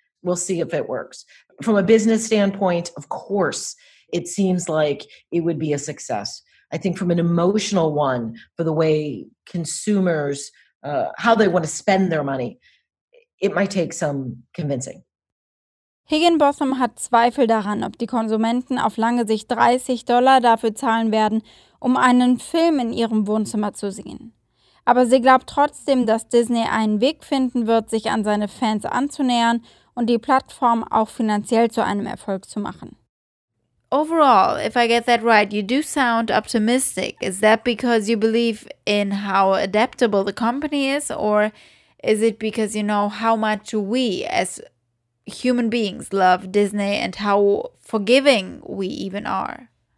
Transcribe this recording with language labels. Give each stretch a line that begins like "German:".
English: We'll see if it works. From a business standpoint, of course, it seems like it would be a success. I think from an emotional one, for the way consumers, how they want to spend their money, it might take some convincing.
German: Higginbotham hat Zweifel daran, ob die Konsumenten auf lange Sicht $30 dafür zahlen werden, um einen Film in ihrem Wohnzimmer zu sehen. Aber sie glaubt trotzdem, dass Disney einen Weg finden wird, sich an seine Fans anzunähern und die Plattform auch finanziell zu einem Erfolg zu machen.
English: Overall, if I get that right, you do sound optimistic. Is that because you believe in how adaptable the company is, or is it because you know how much we as human beings love Disney and how forgiving we even are?